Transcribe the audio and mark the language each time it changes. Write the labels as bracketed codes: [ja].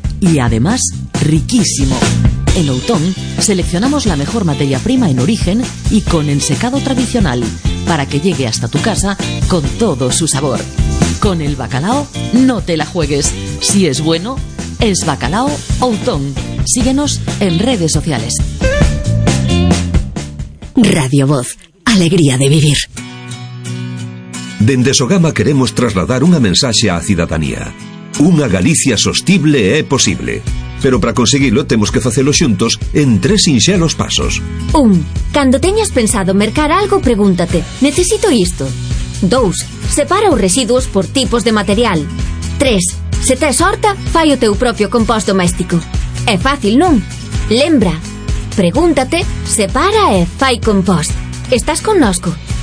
[es] Y además, riquísimo. En Outón seleccionamos la mejor materia prima en origen y con ensecado tradicional, para que llegue hasta tu casa con todo su sabor. Con el bacalao no te la juegues. Si es bueno, es Bacalao Outón. Síguenos en redes sociales. Radio Voz, alegría de vivir. [gl] Dende Sogama queremos trasladar unha mensaxe á cidadanía. Unha Galicia sostible é posible, pero para conseguilo temos que facelo xuntos en tres sinxelos pasos. 1. Cando teñas pensado mercar algo, pregúntate: necesito isto? 2. Separa os residuos por tipos de material. 3. Se tes horta, fai o teu propio compost doméstico. É fácil, non? Lembra, pregúntate, separa e fai compost. Estás connosco.